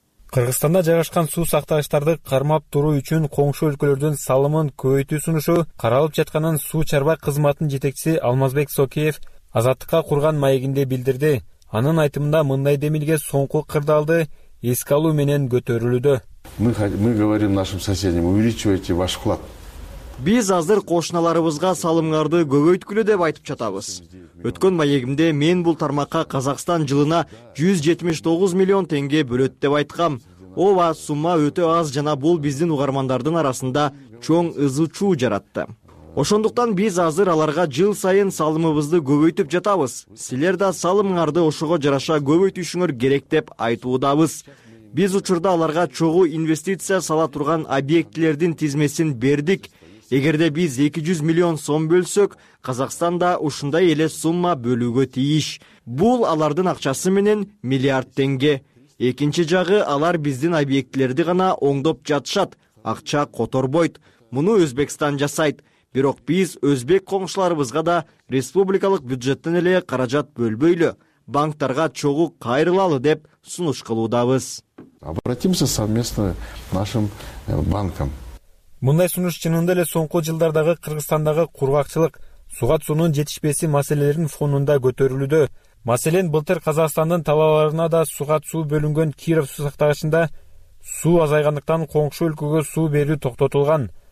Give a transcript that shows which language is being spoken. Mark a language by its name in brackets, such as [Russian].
[Kyrgyz] Кыргызстанда жайгашкан суу сактагычтарды кармап туруу үчүн коңшу өлкөлөрдүн салымын көбөйтүү сунушу каралып жатканын суу чарба кызматынын жетекчиси Алмазбек Сокиев Азаттыкка курган маегинде билдирди. Анын айтымында мындай демилге соңку кырдаалды эске алуу менен көтөрүлүүдө. [Russian] Мы говорим нашим соседям, увеличивайте ваш вклад. [Kyrgyz] Биз азыр кошуналарыбызга салымдарды көбөйткүлө деп айтып жатабыз. Өткөн маегимде мен бул тармакка Казакстан жылына 179 миллион теңге бөлөт деп айткам. Ова сумма өтө аз жана бул биздин угармандардын арасында чоң ызычуу жаратты. Ошондуктан биз азыр аларга жыл сайын салымыбызды көбөйтүп жатабыз. Силер да салымдарды ошого жараша көбөйтүшүңөр керек деп айтуудабыз. Биз учурда аларга чогуу инвестиция сала турган объектилердин тизмесин бердик. Эгерде биз 200 миллион сом бөлсөк, Казакстан да ушундай эле сумма бөлүүгө тийиш. Бул алардын акчасы менен миллиард теңге. Экинчи жагы, алар биздин объектилерди гана оңдоп жатышат, акча которбойт. Муну Өзбекстан жасайт. Бирок биз өзбек коңшуларыбызга да республикалык бюджеттен эле каражат бөлбөйлү, банктарга чогуу кайрылалы деп сунуш кылуудабыз. [Russian] Обратимся совместно нашим банкам. [Kyrgyz] Мындай сунуш чынында эле соңку жылдардагы Кыргызстандагы кургакчылык, суга суунун жетишпеси маселелерин фонунда көтөрүлүүдө. Маселен, былтыр Казакстандын талааларына да суга суу бөлүнгөн Киров суу сактагычында суу азайгандыктан коңшу өлкөгө суу берүү токтотулган.